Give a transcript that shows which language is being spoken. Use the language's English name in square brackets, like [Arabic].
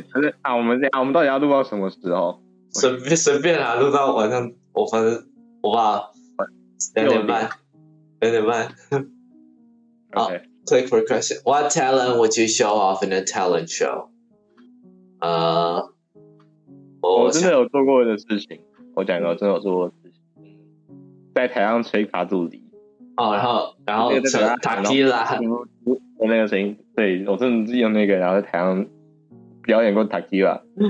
[Chinese] 题。啊，我们到底要录到什么时候？随便啊，录到晚上，我反正我爸两点半。好、okay. [English] ，click for question. What talent would you show off in a talent show？ [Chinese] 我真的有做过的事情，我讲一个真的有做过的事情，在台上吹卡杜里。哦，然后成塔基拉，那个声音，对我真的用那个，然后在台上表演过塔基拉。